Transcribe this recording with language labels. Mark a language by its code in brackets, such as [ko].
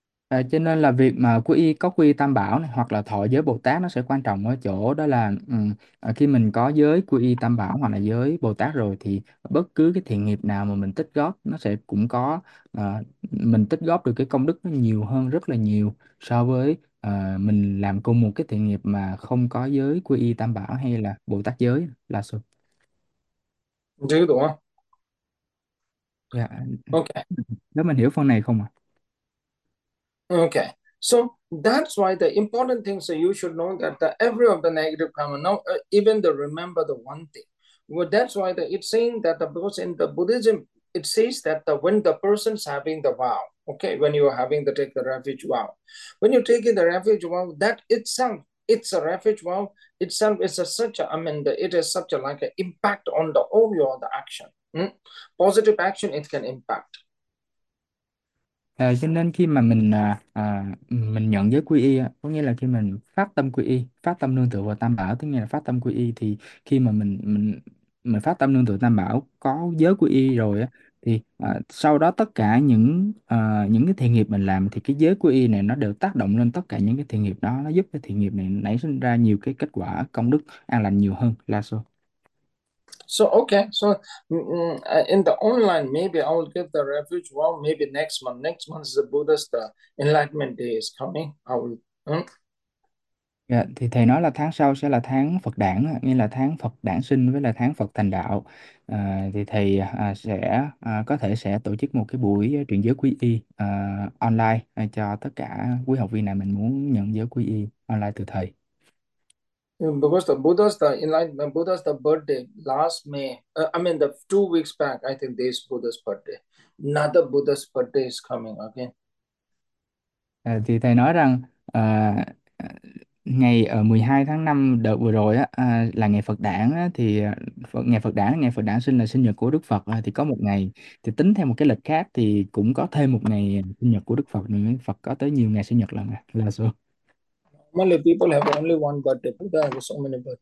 [vi] Cho nên là việc mà quy y, có quy y Tam Bảo này, hoặc là thọ giới Bồ Tát, nó sẽ quan trọng ở chỗ đó là khi mình có giới quy y Tam Bảo hoặc là giới Bồ Tát rồi, thì bất cứ cái thiện nghiệp nào mà mình tích góp, nó sẽ cũng có mình tích góp được cái công đức nó nhiều hơn rất là nhiều so với mình làm cùng một cái thiện nghiệp mà không có giới quy y Tam Bảo hay là Bồ Tát giới là sao. chưa đúng Dạ, không? Ok. nếu mình hiểu phần này không ạ? Ok. [en] So that's why the important things that you should know that the every of the negative karma, now even the remember the one thing. Well, that's why the it's saying that the because in the Buddhism it says that the when the person's having the vow, okay, when you are having the take the refuge vow. When you're taking the refuge vow, that itself it's a refuge vow itself is a such a, I mean the, it is such a like an impact on the all your the action positive action it can impact. [vi] Cho nên khi mà mình nhận giới quy y, có nghĩa là khi mình phát tâm quy y, phát tâm nương tựa vào Tam Bảo, tức là phát tâm quy y, thì khi mà mình phát tâm nương tựa Tam Bảo, có giới quy y rồi, thì sau đó tất cả những cái thiện nghiệp mình làm, thì cái giới quy y này nó đều tác động lên tất cả những cái thiện nghiệp đó, nó giúp cái thiện nghiệp này nảy sinh ra nhiều cái kết quả công đức an lành nhiều hơn là sao. [en] So okay, so in the online maybe I will give the refuge. Well, maybe next month. Next month is the Buddhist Enlightenment Day is coming. I will. [vi] Dạ, thì thầy nói là tháng sau sẽ là tháng Phật đản, nghĩa là tháng Phật đản sinh với là tháng Phật thành đạo. Thì thầy sẽ có thể sẽ tổ chức một cái buổi truyền giới quy y online cho tất cả quý học viên nào mình muốn nhận giới quy y online từ thầy. [en] Because the Buddha's the enlightenment, Buddha's the birthday last May. I mean, the 2 weeks back, I think this Buddha's birthday. Another Buddha's birthday is coming again. [vi] Thì thầy nói rằng ngày 12 tháng 5 đợt vừa rồi á, là ngày Phật đản á, thì ngày Phật đản sinh là sinh nhật của Đức Phật, thì có một ngày thì tính theo một cái lịch khác thì cũng có thêm một ngày sinh nhật của Đức Phật nữa. Phật có tới nhiều ngày sinh nhật lần là sao? [en] Normally people have only one birthday, but there are so many